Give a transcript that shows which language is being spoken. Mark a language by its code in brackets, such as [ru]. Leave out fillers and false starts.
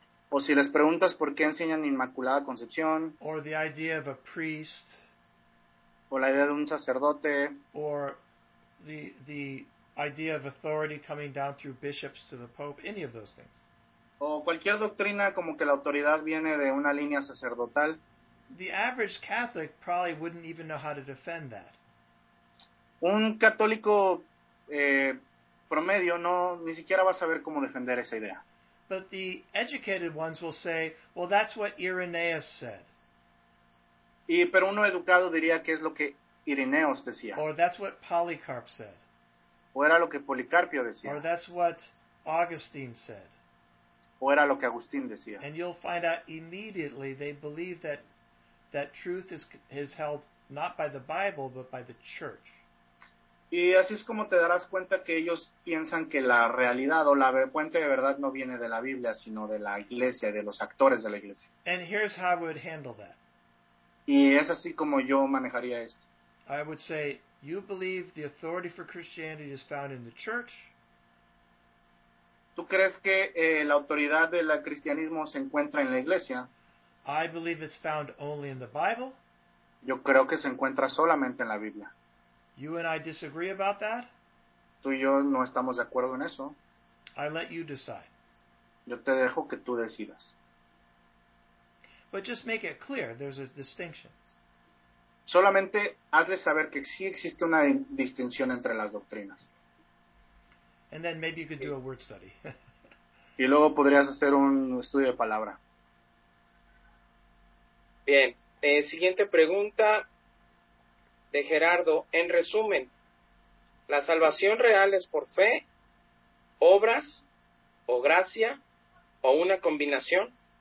[es] O si les preguntas por qué enseñan Inmaculada Concepción. [en] Or the idea of a priest. [es] O la idea de un sacerdote. [en] Or the idea of authority coming down through bishops to the Pope. Any of those things. [es] O cualquier doctrina como que la autoridad viene de una línea sacerdotal. [en] The average Catholic probably wouldn't even know how to defend that. [es] Un católico promedio no ni siquiera va a saber cómo defender esa idea. [en] But the educated ones will say, well, that's what Irenaeus said. [es] Y pero uno educado diría que es lo que Irenaeus decía. [en] Or that's what Polycarp said. [es] O era lo que Policarpio decía. [en] Or that's what Augustine said. [es] O era lo que Agustín decía. [en] And you'll find out immediately they believe that truth is held not by the Bible, but by the church. [es] Y así es como te darás cuenta que ellos piensan que la realidad o la fuente de verdad no viene de la Biblia, sino de la iglesia, de los actores de la iglesia. [en] And here's how I would handle that. [es] Y es así como yo manejaría esto. [en] I would say, you believe the authority for Christianity is found in the church. [es] ¿Tú crees que la autoridad del cristianismo se encuentra en la iglesia? [en] I believe it's found only in the Bible. [es] Yo creo que se encuentra solamente en la Biblia. [en] You and I disagree about that. [es] Tú y yo no estamos de acuerdo en eso. [en] I let you decide. [es] Yo te dejo que tú decidas. [en] But just make it clear, there's a distinction. [es] Solamente hazle saber que sí existe una distinción entre las doctrinas. [en] And then maybe you could do a word study. [es] Y luego podrías hacer un estudio de palabra. Bien, siguiente pregunta. De Gerardo, en resumen, ¿la salvación real es por fe, obras o gracia o una combinación?